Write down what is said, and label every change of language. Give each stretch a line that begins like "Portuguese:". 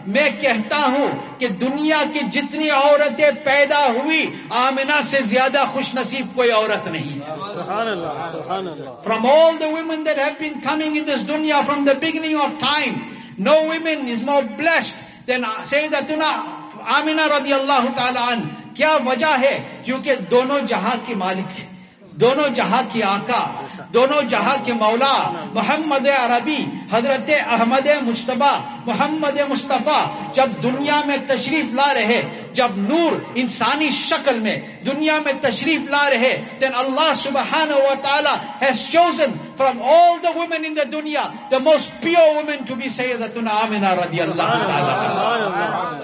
Urdu: میں کہتا ہوں کہ دنیا کی جتنی عورتیں پیدا ہوئی آمنہ سے زیادہ خوش نصیب کوئی عورت نہیں.
Arabic: سبحان اللہ. سبحان اللہ.
English: From all the women that have been coming in this dunya from the beginning of time, no woman is more blessed than سیدتنا Amina رضی اللہ تعالی عنہ.
Urdu: کیا وجہ ہے؟ کیونکہ دونوں جہاں کی مالک، دونوں جہاں کی آقا، دونوں جہاں کے مولا، محمد عربی، حضرت احمد مصطفیٰ، محمد مصطفیٰ جب دنیا میں تشریف لا رہے، جب نور انسانی شکل میں دنیا میں تشریف لا رہے،
English: then Allah subhanahu wa ta'ala has chosen from all the women in the dunya the most pure woman to be Sayyidatuna Amina radiallahu ta'ala.